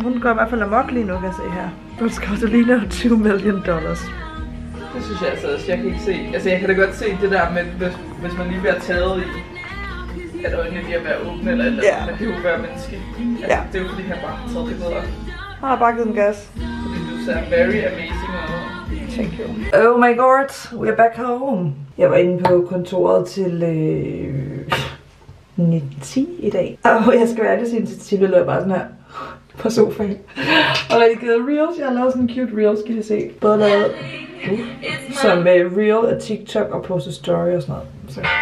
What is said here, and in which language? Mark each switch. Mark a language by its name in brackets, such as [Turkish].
[Danish] Hun går i hvert fald amok lige nu, kan jeg se her. Hun skal også lige nå $20 million. Det synes jeg altså også. Jeg kan ikke se. Altså, jeg kan da godt se det der med, hvis man lige bliver taget i, at øjnene lige er ved at være åbne eller andet. [English] Yeah. [Danish] Det er jo hver menneske. Altså, [English] yeah. [Danish] Det er jo fordi, han bare har taget det bedre. Han har bare givet en gas. Fordi du ser [English] very amazing [Danish] og... [English] Thank you. Oh my god, we are back home. [Danish] Jeg var inde på kontoret til 9-10 i dag. Og jeg skal være ærlig sige, at jeg lå bare sådan her på sofaen. Og jeg gav reels. Jeg har lavet sådan en cute reels, kan I se. Både lavet som med reel og TikTok og [English] post a story [Danish] og sådan noget. Så.